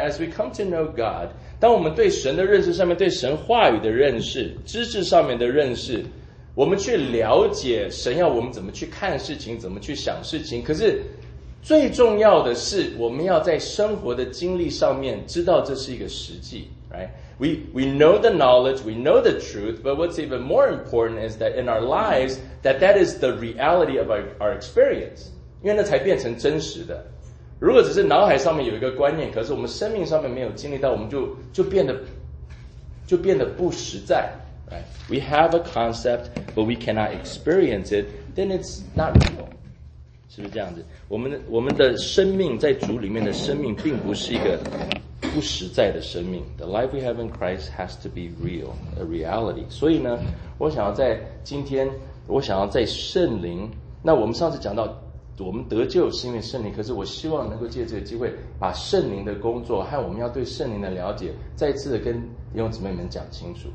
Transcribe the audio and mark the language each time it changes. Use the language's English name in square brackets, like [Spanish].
[English] As we come to know God， [Chinese] 当我们对神的认识上面，对神话语的认识、知识上面的认识，我们去了解神要我们怎么去看事情、怎么去想事情。可是最重要的是，我们要在生活的经历上面知道这是一个实际 ，right? [English] We know the knowledge, we know the truth, but what's even more important is that in our lives that is the reality of our experience. [Chinese] 因为那才变成真实的。如果只是脑海上面有一个观念，可是我们生命上面没有经历到，我们就变得不实在。 [English] Right? We have a concept, but we cannot experience it, then it's not real. [Chinese] 是不是是不是这样子？我们的生命在主里面的生命，并不是一个不实在的生命。 The life we have in Christ has to be real, a reality. 所以呢，我想要在今天，我想要在圣灵。那我们上次讲到，我们得救是因为圣灵，可是我希望能够借这个机会，把圣灵的工作和我们要对圣灵的了解，再次的跟弟兄姊妹们讲清楚。